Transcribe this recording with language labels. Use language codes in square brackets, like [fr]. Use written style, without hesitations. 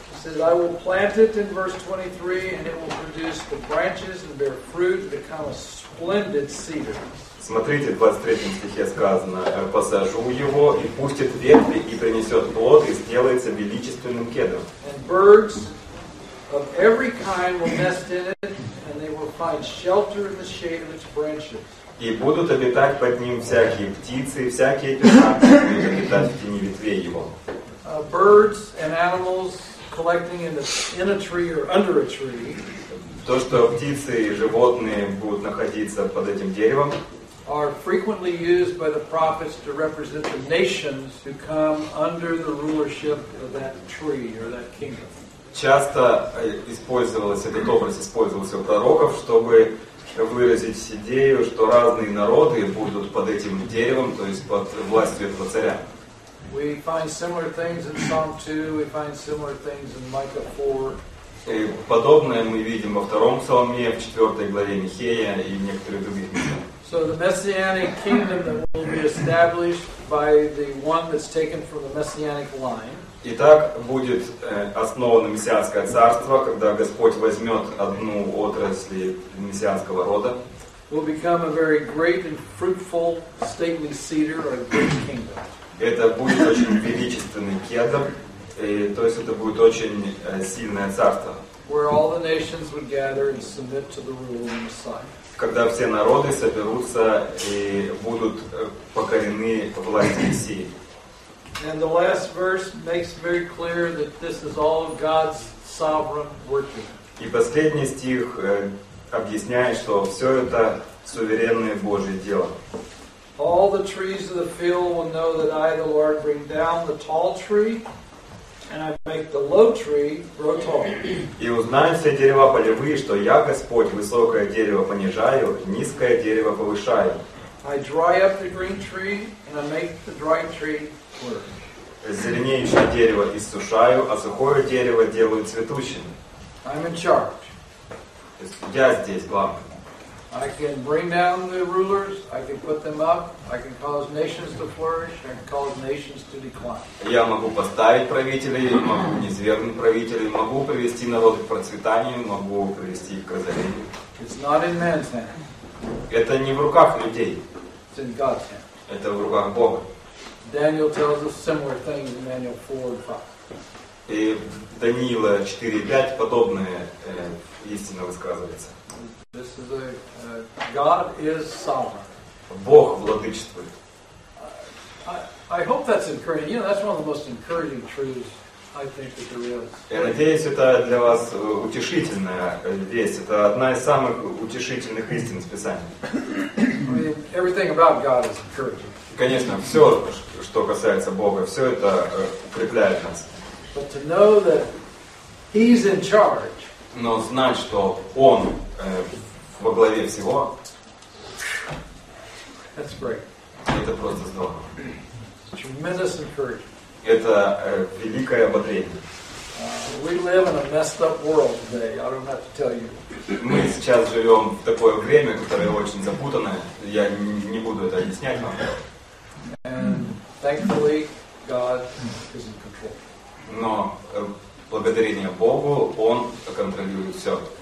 [en] Says, I will plant it in verse 23, and it will produce the branches and bear fruit, become a splendid cedar. [ru] Смотрите, в 23 стихе сказано, посажу его и пустит ветви и принесет плод и сделается величественным кедром. [en] And birds of every kind will nest in it, and they will find shelter in the shade of its branches. [ru] И будут обитать под ним всякие птицы, всякие птицы будут обитать в тени ветвей его. [en] Birds and animals collecting in a tree or under a tree. [ru] То, что птицы и животные будут находиться под этим деревом, [en] are frequently used by the prophets to represent the nations who come under the rulership of that tree or that kingdom. [ru] Часто использовалось, этот образ использовался у пророков, чтобы выразить идею, что разные народы будут под этим деревом, то есть под властью этого царя. [en] We find similar things in Psalm 2, we find similar things in Micah 4. [ru] И подобное мы видим во втором псалме, в 4 главе Михея и в некоторых других местах. [en] So the messianic kingdom that will be established by the one that's taken from the messianic line. [ru] Итак, будет основано мессианское царство, когда Господь возьмет одну отрасль мессианского рода. [en] Will become a very great and fruitful, stately cedar or a great kingdom. [ru] Это будет очень величественный кедр, и, то есть это будет очень сильное царство. [en] Where all the nations would gather and submit to the rule of Messiah. [ru] Когда все народы соберутся и будут покорены власти Мессии. [en] And the last verse makes very clear that this is all God's sovereign working. [ru] И последний стих объясняет, что все это суверенное Божье дело. [en] All the trees of the field will know that I, the Lord, bring down the tall tree, and I make the low tree grow tall. [ru] И узнают все дерева полевые, что я, Господь, высокое дерево понижаю, низкое дерево повышаю. [en] I dry up the green tree, and I make the dry tree work. [ru] Зеленеющее дерево иссушаю, а сухое дерево делаю цветущим. [en] I'm in charge. [ru] Я здесь главный. [en] I can bring down the rulers, I can put them up, I can cause nations to flourish, I can cause nations to decline. [ru] Я могу поставить правителей, могу низвергнуть правителей, могу привести народ к процветанию, могу привести их к разорению. [en] It's not in man's hand. [ru] Это не в руках людей. [en] It's in God's hand. [ru] Это в руках Бога. [en] Daniel tells us similar things in Daniel 4 and 5. [ru] И в Даниила 4:5 подобное истина высказывается. [en] This is a God is sovereign. [ru] Бог владычествует. [en] I hope that's encouraging. You know, that's one of the most encouraging truths I think that there is. [ru] Я надеюсь, это для вас утешительная весть. Это одна из самых утешительных истин из Писания. [en] Everything about God is encouraging. [ru] Конечно, все, что касается Бога, все это укрепляет нас. [en] But to know that He's in charge. [ru] Но знать, что Он во главе всего. [en] That's great. [ru] Это просто здорово. [en] Tremendous encouragement. [ru] Это великое ободрение. [en] We live in a messed up world today. I don't have to tell you. [ru] Мы сейчас живем в такое время, которое очень запутанное. Я не буду это объяснять вам. [en] And thankfully, God is in control. [ru] Но благодарение Богу, Он контролирует все.